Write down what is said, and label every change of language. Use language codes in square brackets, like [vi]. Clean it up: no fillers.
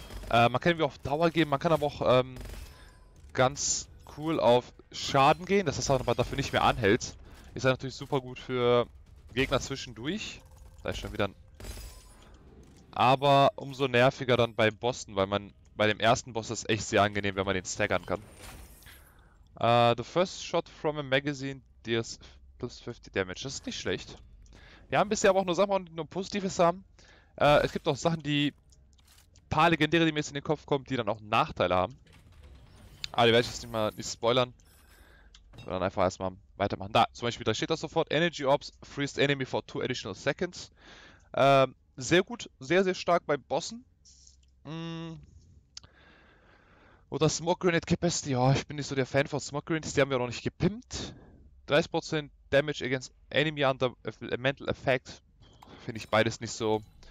[de] Man kann wieder auf Dauer gehen. Man kann aber auch ganz cool auf Schaden gehen, dass das auch aber dafür nicht mehr anhält. Ist dann natürlich super gut für Gegner zwischendurch. Da ist schon wieder ein. Aber umso nerviger dann bei Bossen, weil man. Bei dem ersten Boss ist es echt sehr angenehm, wenn man den staggern kann. [en] The first shot from a magazine deals plus 50 damage. [de] Das ist nicht schlecht. Wir haben bisher aber auch nur Sachen, die nur Positives haben. Es gibt auch Sachen, die paar Legendäre, die mir jetzt in den Kopf kommen, die dann auch Nachteile haben. Aber die werde ich jetzt nicht mal nicht spoilern. Sondern einfach erstmal weitermachen. Da, zum Beispiel, da steht das sofort. [en] Energy Orbs freeze enemy for 2 additional seconds. [de] Sehr gut, sehr, sehr stark bei Bossen. Oder Smoke Grenade Capacity, ja, ich bin nicht so der Fan von Smoke Grenades, die haben wir auch noch nicht gepimpt. [en] 30% Damage against Enemy under Elemental Effect, [de] finde ich beides nicht so.